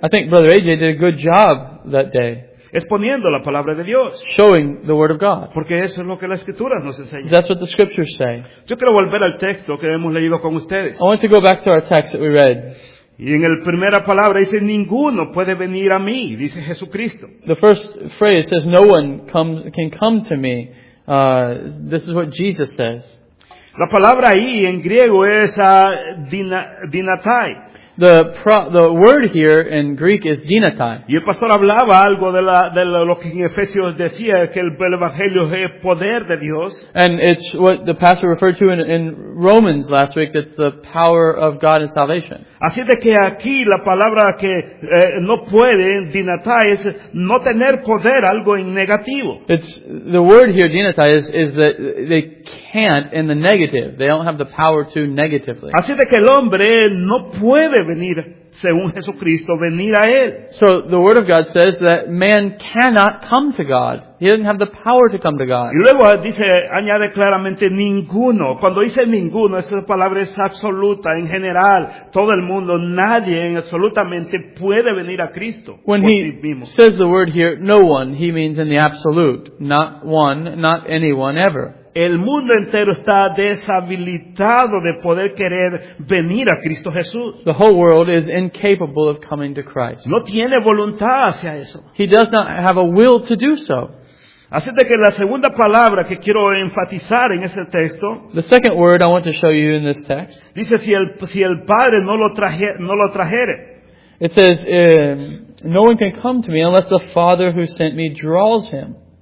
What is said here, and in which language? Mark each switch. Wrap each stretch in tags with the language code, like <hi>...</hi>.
<en>I think Brother AJ did a good job that day.</en> <es>Exponiendo la palabra de Dios.</es> <en>Showing the word of God.</en> <es>Porque eso es lo que las escrituras nos enseñan.</es> <en>That's what the scriptures say.</en> <es>Yo quiero volver al texto que hemos leído con ustedes.</es> <en>I want to go back to our text that we read.</en> <es>Y en la primera palabra dice, ninguno puede venir a mí, dice Jesucristo.</es> <en>The first phrase says, no one can come to me. This is what Jesus says.</en> <es>La palabra ahí en griego es dinatai.</es> <en>The word here in Greek is dinatai.</en> <es>Y el pastor hablaba algo de lo que en Efesios decía, que el Evangelio es poder de Dios.</es> <en>And it's what the pastor referred to in Romans last week, that's the power of God and salvation.</en> <es>Así de que aquí la palabra que no puede, dinatai, es no tener poder, algo en negativo.</es> <en>It's, the word here, dinatai, is that they can't in the negative. They don't have the power to negatively.</en> <es>Así de que el hombre no puede venir, según Jesucristo, venir a él.</es> <en>So the word of God says that man cannot come to God. He doesn't have the power to come to God.</en> <es>Y luego dice, añade claramente, ninguno. Cuando dice ninguno, esa palabra es absoluta, en general, todo el mundo, nadie absolutamente puede venir a Cristo.</es> <en>When he says the word here, no one, he means in the absolute, not one, not anyone ever.</en> <es>El mundo entero está deshabilitado de poder querer venir a Cristo Jesús.</es> <en>The whole world is incapable of coming to Christ.</en> <es>No tiene voluntad hacia eso.</es> <en>He does not have a will to do so.</en> <es>Así de que la segunda palabra que quiero enfatizar en ese texto.</es> <en>The second word I want to show you in this text.</en> <es>Dice si el Padre no lo trajere.</es> <en>It says, no one can come to me unless the Father who sent me draws him.</en>